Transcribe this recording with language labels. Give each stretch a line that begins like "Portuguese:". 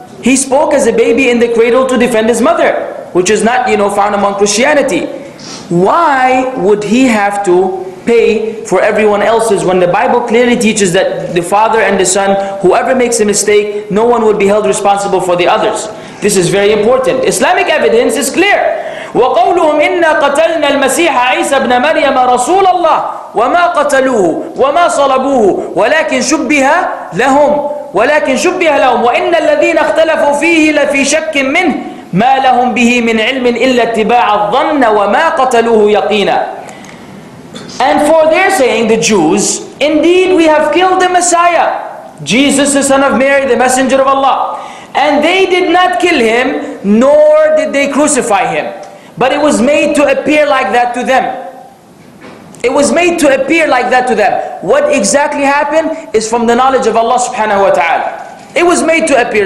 English: He spoke as a baby in the cradle to defend His mother, which is not, you know, found among Christianity. Why would He have to pay for everyone else's when the Bible clearly teaches that the father and the son, whoever makes a mistake, no one would be held responsible for the others? This is very important. Islamic evidence is clear.
Arabic: وقولهم إنا قتلنا المسيح عيسى ابن مريم رسول الله وما قتلوه وما صلبوه ولكن شبه لهم وإن الذين اختلفوا فيه لفي شك منه ما لهم به من علم إلا اتباع الظن وما قتلوه يقينا.
English: And for their saying, the Jews, indeed we have killed the Messiah, Jesus the son of Mary, the messenger of Allah, and they did not kill him, nor did they crucify him. But it was made to appear like that to them. It was made to appear like that to them. What exactly happened is from the knowledge of Allah subhanahu wa ta'ala. It was made to appear.